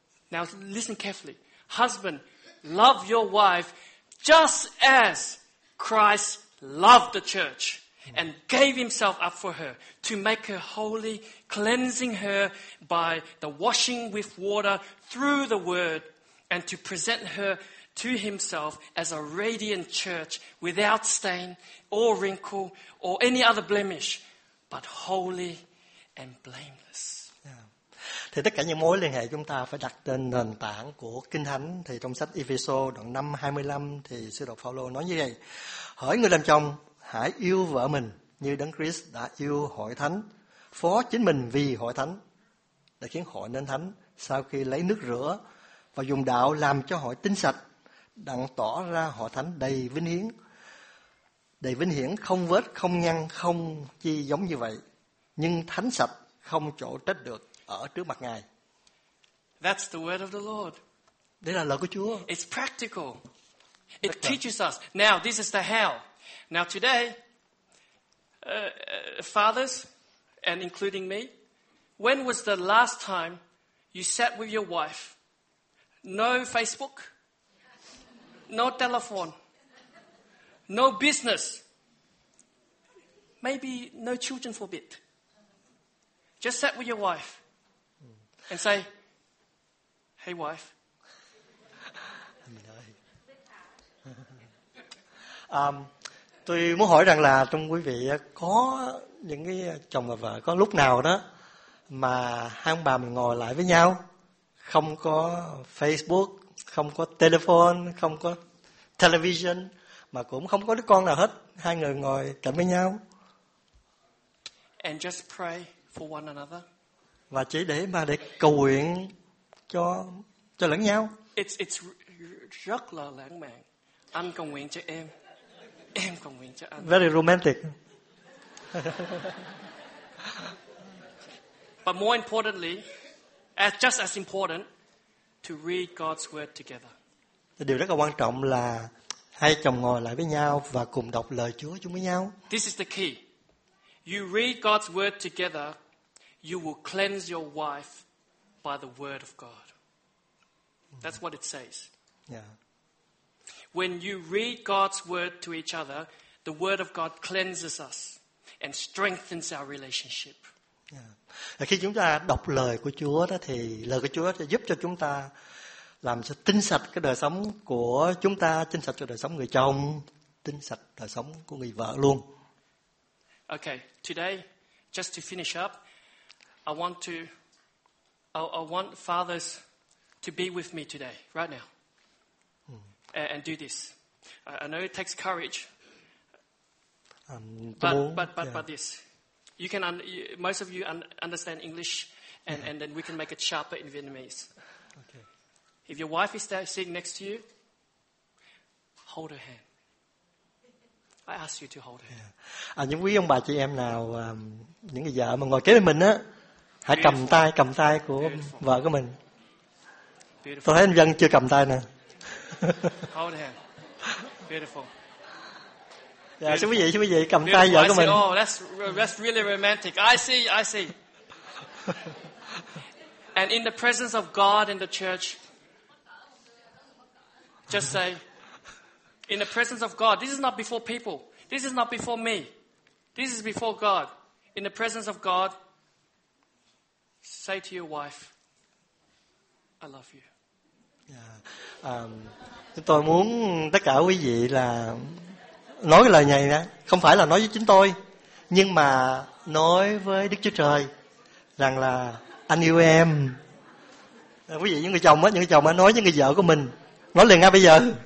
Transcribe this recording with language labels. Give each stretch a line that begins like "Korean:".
English: Now, listen carefully. Husband, love your wife just as Christ loved the church and gave himself up for her to make her holy, cleansing her by the washing with water through the word and to present her to himself as a radiant church without stain or wrinkle or any other blemish, but holy and blameless.
Vietnamese: Thì tất cả những mối liên hệ chúng ta phải đặt trên nền tảng của Kinh Thánh. Thì trong sách Ephesô đoạn 5, 25 thì sứ đồ Phaolô nói như vậy: hỡi người làm chồng, hãy yêu vợ mình như Đấng Christ đã yêu hội thánh, phó chính mình vì hội thánh để khiến hội nên thánh, sau khi lấy nước rửa và dùng đạo làm cho hội tinh sạch, đặng tỏ ra hội thánh đầy vinh hiển, đầy vinh hiển, không vết, không nhăn, không chi giống như vậy, nhưng thánh sạch, không chỗ trách được ở trước mặt Ngài.
English: That's the word of the Lord.
Vietnamese: Đây là lời của Chúa.
English: It's practical. It teaches us. Now this is the how. Now today, fathers, and including me, when was the last time you sat with your wife? No Facebook, no telephone, no business, maybe no children for a bit. Just sat with your wife and say, hey wife.
Vietnamese: Tôi muốn hỏi rằng là trong quý vị có những cái chồng và vợ có lúc nào đó mà hai ông bà mình ngồi lại với nhau, không có Facebook, không có telephone, không có television, mà cũng không có đứa con nào hết, hai người ngồi cạnh với nhau.
English: And just pray for one another.
Vietnamese: Và chỉ để mà để cầu nguyện cho lẫn nhau. It's rất là lãng mạn. Anh cầu nguyện cho em. Em cầu nguyện cho anh.
English: Very romantic. But more importantly, just as important, to read God's word together.
Vietnamese: Điều rất là quan trọng là hai chồng ngồi lại với nhau và cùng đọc lời Chúa chung với nhau.
English: This is the key. You read God's word together, you will cleanse your wife by the word of God. That's what it says. Yeah. When you read God's word to each other, the word of God cleanses us and strengthens our relationship. Yeah.
Vietnamese: Khi chúng ta đọc lời của Chúa đó, thì lời của Chúa sẽ giúp cho chúng ta làm cho tinh sạch cái đời sống của chúng ta, tinh sạch cho đời sống người chồng, tinh sạch đời sống của người vợ luôn.
English: Okay, today just to finish up, I want fathers to be with me today, right now, and do this. I know it takes courage, but this, you can. Most of you understand English, and then we can make it sharper in Vietnamese. Okay. If your wife is there, sitting next to you, hold her hand. I ask you to hold her.
Vietnamese: Yeah. À, những quý ông bà chị em nào, những người vợ mà ngồi kế bên mình á, hãy cầm tay của vợ của mình.
English: Beautiful.
Vietnamese: Tôi thấy anh Vân chưa cầm tay nè.
English: Hold her. Beautiful.
Vietnamese: Dạ, xin quý vị, cầm tay vợ của mình.
English: Oh, that's really romantic. I see. And in the presence of God and the church, just say, in the presence of God, this is not before people. This is not before me. This is before God. In the presence of God, say to your wife, I love you. Yeah.
Vietnamese: Tôi muốn tất cả quý vị là nói cái lời này nè, không phải là nói với chính tôi, nhưng mà nói với Đức Chúa Trời rằng là anh yêu em. Quý vị, những người chồng á nói với người vợ của mình, nói liền ngay bây giờ.